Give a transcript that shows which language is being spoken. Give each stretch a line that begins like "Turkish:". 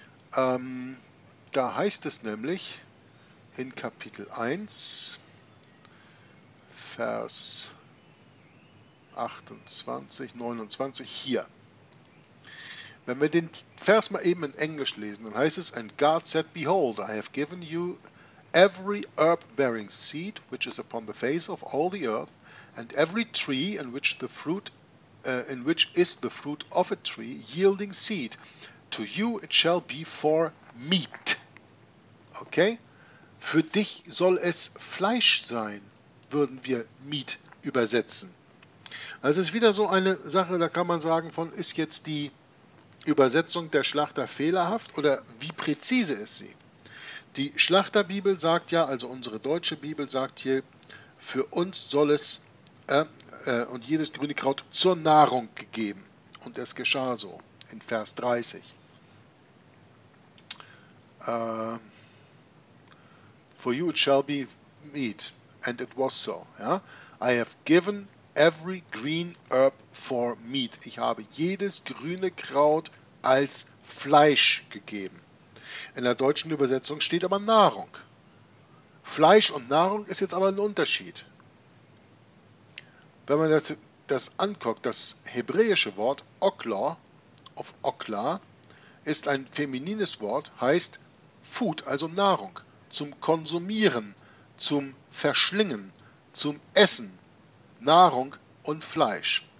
German: Da heißt es nämlich in Kapitel 1, Vers 28, 29, hier. Wenn wir den Vers mal eben in Englisch lesen, dann heißt es:
English: And God said, Behold, I have given you every herb-bearing seed which is upon the face of all the earth, and every tree in which the fruit, in which is the fruit of a tree yielding seed, to you it shall be for meat.
German: Okay? Für dich soll es Fleisch sein, würden wir Meat übersetzen. Das ist wieder so eine Sache, da kann man sagen, von ist jetzt die Übersetzung der Schlachter fehlerhaft oder wie präzise ist sie? Die Schlachterbibel sagt ja, also unsere deutsche Bibel sagt hier, für uns soll es und jedes grüne Kraut zur Nahrung gegeben. Und es geschah so, in Vers 30.
English: For you it shall be meat, and it was so. Ja? I have given every green herb for meat.
German: Ich habe jedes grüne Kraut als Fleisch gegeben. In der deutschen Übersetzung steht aber Nahrung. Fleisch und Nahrung ist jetzt aber ein Unterschied. Wenn man das anguckt, das hebräische Wort Okla, auf Okla, ist ein feminines Wort, heißt Food, also Nahrung, zum Konsumieren, zum Verschlingen, zum Essen, Nahrung und Fleisch.